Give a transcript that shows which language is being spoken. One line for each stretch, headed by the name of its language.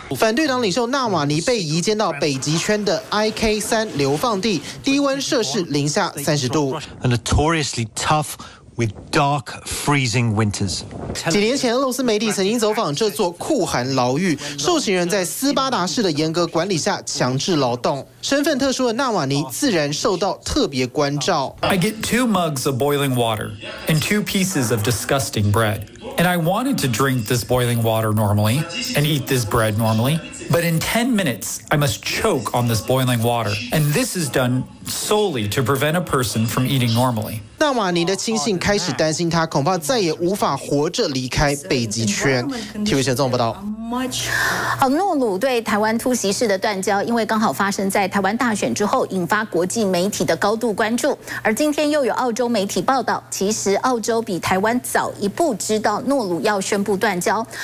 Chinese: 反对党领袖纳瓦尼被移监到北极圈的 IK3 流放地，低温摄氏-30°C.
English: A notoriously tough with dark, freezing winters.
Chinese: 几年前，俄罗斯媒体曾经走访这座酷寒牢狱，受刑人在斯巴达式的严格管理下强制劳动。身份特殊的纳瓦尼自然受到特别关照。
English: I get 2 mugs of boiling water and 2 pieces of disgusting bread, and I wanted to drink this boiling water normally and eat this bread normally, but in 10 minutes I must choke on this boiling water, and this is done solely to prevent a person from eating normally.
Chinese: 纳瓦尼的亲信开始担心，他恐怕再也无法活着离开北极圈。 TVBS 新闻报道。好，诺鲁对台湾突袭式的断交，因为刚好发生在台湾大选之后，引发国际媒体的高度关注。而今天又有澳洲媒体报道，其实澳洲比台湾早一步知道诺鲁要宣布断交。